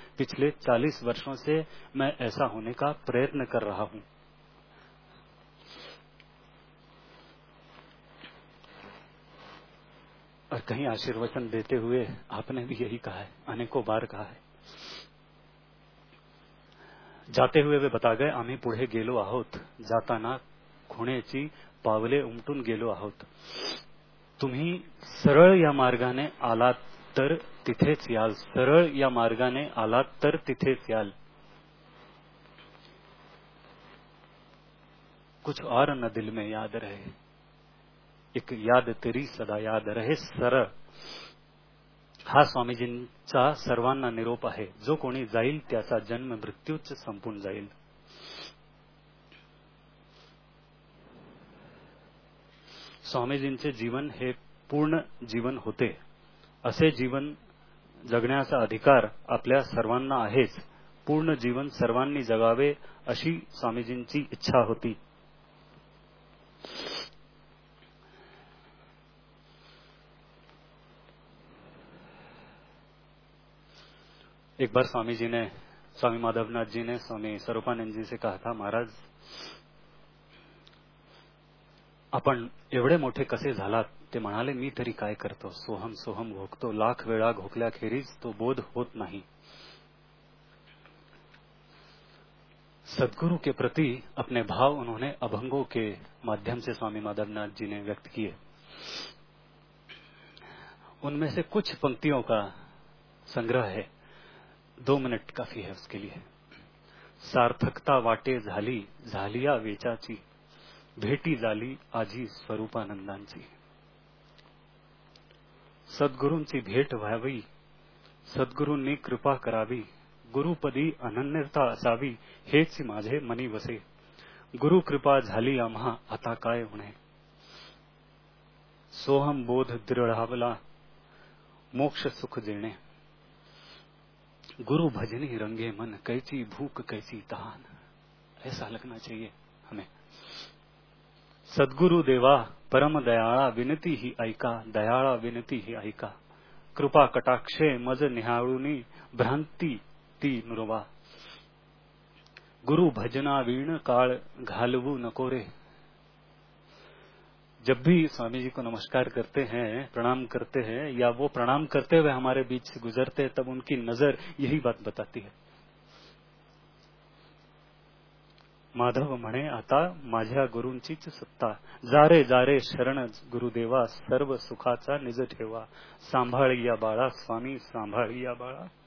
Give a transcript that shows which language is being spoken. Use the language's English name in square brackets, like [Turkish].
[Hindi] पिछले 40 वर्षों से मैं ऐसा होने का प्रयत्न कर रहा हूं। और कहीं आशीर्वचन देते हुए आपने भी यही कहा है, अनेकों बार कहा है। [Marathi] जाते हुए वे बता गए, आम्ही पुढ़े गेलो आहोत, जाताना खुणेची पावले उमटून गेलो आहोत। तुम्ही सरल या मार्गाने आलात तर तिथेच याल, सरल या मार्गाने आलात तर तिथेच याल। [Hindi] कुछ और न दिल में याद रहे, एक याद तेरी सदा याद रहे। [Marathi] सरळ हा स्वामीजींचा सर्वांना निरोप आहे। जो कोणी जाईल त्याचा जन्म मृत्यूच संपून जाईल। स्वामीजींचे जीवन हे पूर्ण जीवन होते, असे जीवन जगण्याचा अधिकार आपल्या सर्वांना आहेच। पूर्ण जीवन सर्वांनी जगावे अशी स्वामीजींची इच्छा होती। [Hindi] एक बार स्वामी जी ने, स्वामी माधवनाथ जी ने स्वामी स्वरूपानंद जी से कहा था, [Marathi] महाराज अपन एवडे मोठे कसे झालात, ते म्हणाले मी तरी काय करतो, सोहम सोहम भोगतो, लाख वेळा घोकल्याखेरीज तो बोध होत नाही। [Hindi] सद्गुरु के प्रति अपने भाव उन्होंने अभंगों के माध्यम से स्वामी माधवनाथ जी ने व्यक्त किए। उनमें से कुछ पंक्तियों का संग्रह है, 2 मिनट काफी है उसके लिए। [Marathi] सार्थकता वाटे झाली झालिया वेचाची, भेटी झाली आजी स्वरूपानंदांची। सद्गुरूंची भेट व्हावी, सद्गुरूंनी कृपा करावी, गुरुपदी अनन्यता असावी, हेच माझे मनी वसे, गुरु कृपा झाली आम्हा आता काय होणे। सोहम बोध दृढावला मोक्ष सुख देणे, गुरु भजनी रंगे मन, कैची भूख कैची तहान, [Hindi] ऐसा लगना चाहिए हमें। [Marathi] सद्गुरु देवा परम दयाला विनती ही ऐका, दयाला विनती ही ऐका, कृपा कटाक्षे मज निहाळूनी भ्रांती ती नुरवा, गुरु भजना वीण काळ घालवू नकोरे। [Hindi] जब भी स्वामी जी को नमस्कार करते हैं, प्रणाम करते हैं, या वो प्रणाम करते हुए हमारे बीच से गुजरते हैं, तब उनकी नजर यही बात बताती है। [Marathi] माधव मणे आता माझ्या गुरुंचीच सत्ता, जारे जारे शरण गुरुदेवा, सर्व सुखाचा निज ठेवा, सांभाळिया बाळा स्वामी सांभाळिया बाळा।